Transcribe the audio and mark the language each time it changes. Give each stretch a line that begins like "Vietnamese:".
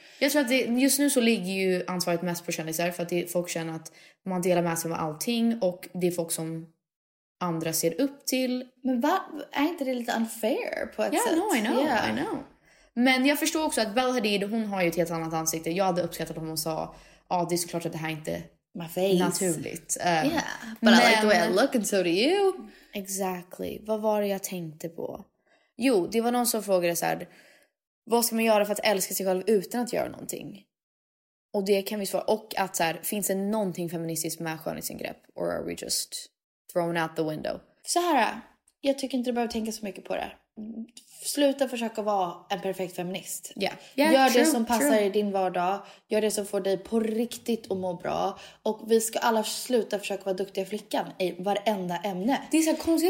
Swedish: Jag tror att det, just nu så ligger ju ansvaret mest på kändisar, för att det är folk känner att man delar med sig av allting och det är folk som andra ser upp till. Men vad, är inte det lite unfair på ett sätt?
English: Yeah, no, I know, yeah. I know.
Swedish: Men jag förstår också att Bella Hadid, hon har ju ett helt annat ansikte. Jag hade uppskattat om hon sa, ja, det är såklart att det här inte
English: my face
Swedish: naturligt.
English: Yeah, but men... I like the way I look and so do you. Exactly.
Swedish: Vad var det jag tänkte på? Jo, det var någon som frågade så här, vad ska man göra för att älska sig själv utan att göra någonting? Och det kan vi svara. Och att så här, finns det någonting feministiskt med skönhetsingrepp?
English: Or are we just thrown out the window?
Swedish: Så här, jag tycker inte du behöver tänka så mycket på det. Sluta försöka vara en perfekt feminist.
English: Yeah.
Swedish: Yeah, gör true, det som passar true i din vardag. Gör det som får dig på riktigt att må bra. Och vi ska alla sluta försöka vara duktiga flickan i varenda ämne. Det är så konstigt.